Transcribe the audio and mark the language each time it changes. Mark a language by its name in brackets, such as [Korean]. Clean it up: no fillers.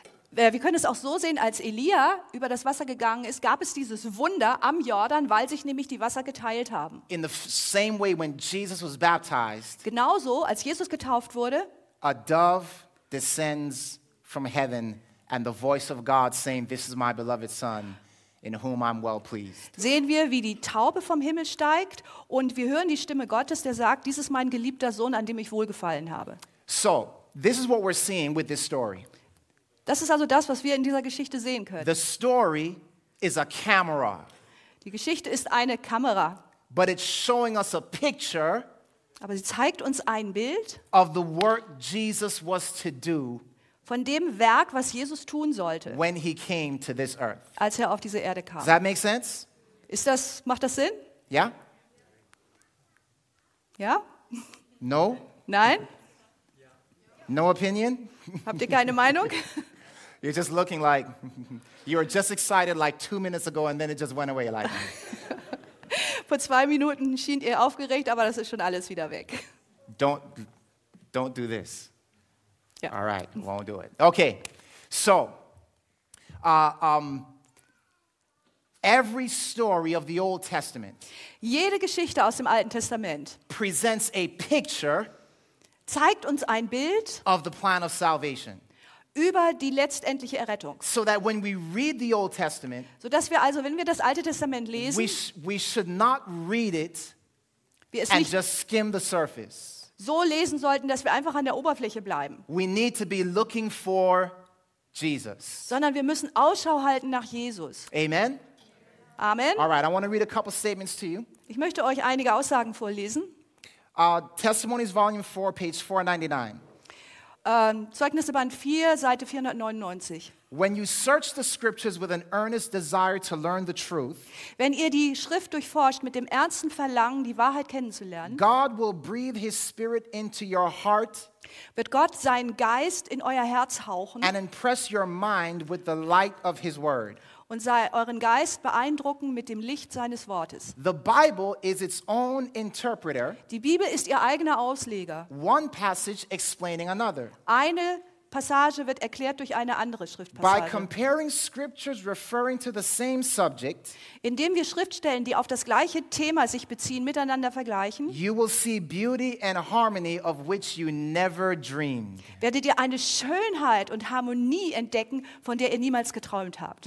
[German] Wir können es auch so sehen, als Elia über das Wasser gegangen ist, gab es dieses Wunder am Jordan, weil sich nämlich die Wasser geteilt haben. [English] In the same way when Jesus was baptized. [German] Genauso als Jesus getauft wurde. [English] A dove descends from heaven and the voice of God saying, "This is my beloved son." In whom I'm well pleased. [German] Sehen wir, wie die Taube vom Himmel steigt und wir hören die Stimme Gottes, der sagt, dies ist mein geliebter Sohn, an dem ich wohlgefallen habe. [English] So, this is what we're seeing with this story. [German] Das ist also das, was wir in dieser Geschichte sehen können. [English] The story is a camera. [German] Die Geschichte ist eine Kamera. [English] But it's showing us a picture. [German] Aber sie zeigt uns ein Bild. [English] Of the work Jesus was to do. [German] Von dem Werk, was Jesus tun sollte, [English] when he came to this earth. [German] Als er auf diese Erde kam. [English] Does that make sense? [German] Macht das Sinn? Ja? Ja? [English] No? [German] Nein? [English] No opinion? [German] Habt ihr keine Meinung? [English] You're just looking like, you were just excited like 2 minutes ago and then it just went away like. [German] Vor 2 Minuten schien ihr aufgeregt, aber das ist schon alles wieder weg. [English] Don't do this. Yeah. All right, won't do it. Okay, so every story of the Old Testament, [German] jede Geschichte aus dem Alten Testament, [English] presents a picture, [German] zeigt uns ein Bild, [English] of the plan of salvation, [German] über die letztendliche Errettung. [English] So that when we read the Old Testament, [German] so dass wir also, wenn wir das Alte Testament lesen, [English] we should not read it and just skim the surface. [German] So lesen sollten, dass wir einfach an der Oberfläche bleiben. [English] We need to be looking for Jesus. [German] Sondern wir müssen Ausschau halten nach Jesus. [English] Amen. [German] Amen. [English] All right, I want to read a couple statements to you. [German] Ich möchte euch einige Aussagen vorlesen. [English] Testimonies Volume 4, page 499. [German] Zeugnisse Band 4, Seite 499. [English] When you search the scriptures with an earnest desire to learn the truth, [German] wenn ihr die Schrift durchforscht mit dem ernsten Verlangen, die Wahrheit kennenzulernen, [English] God will breathe his spirit into your heart, [German] wird Gott seinen Geist in euer Herz hauchen, [English] and impress your mind with the light of his word, [German] und sei euren Geist beeindrucken mit dem Licht seines Wortes. [English] The Bible is its own interpreter, [German] die Bibel ist ihr eigener Ausleger, [English] one passage explaining another, [German] eine Passage wird erklärt durch eine andere Schriftpassage. [English] By comparing scriptures referring to the same subject, [German] indem wir Schriftstellen, die auf das gleiche Thema sich beziehen, miteinander vergleichen, [English] you will see beauty and harmony of which you never dreamed. [German] Werdet ihr eine Schönheit und Harmonie entdecken, von der ihr niemals geträumt habt.